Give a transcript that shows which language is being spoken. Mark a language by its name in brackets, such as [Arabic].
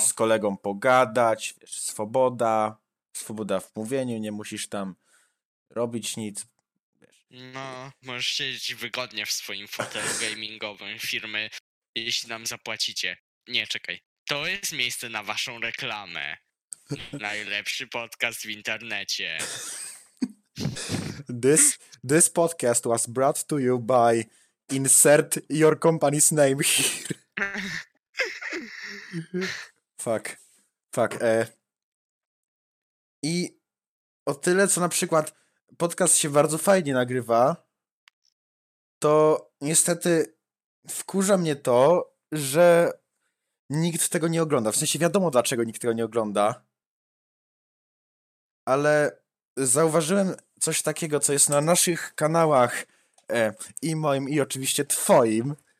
[Polish] Z kolegą pogadać, wiesz, swoboda w mówieniu, nie musisz tam robić nic. No, możesz siedzieć wygodnie w swoim fotelu gamingowym firmy, jeśli nam zapłacicie. Nie, czekaj. To jest miejsce na waszą reklamę. Najlepszy podcast w internecie. [English] This podcast was brought to you by insert your company's name here. Fuck. [Polish] I o tyle, co na przykład podcast się bardzo fajnie nagrywa, to niestety wkurza mnie to, że nikt tego nie ogląda. W sensie wiadomo, dlaczego nikt tego nie ogląda, ale zauważyłem coś takiego, co jest na naszych kanałach i moim, i oczywiście twoim.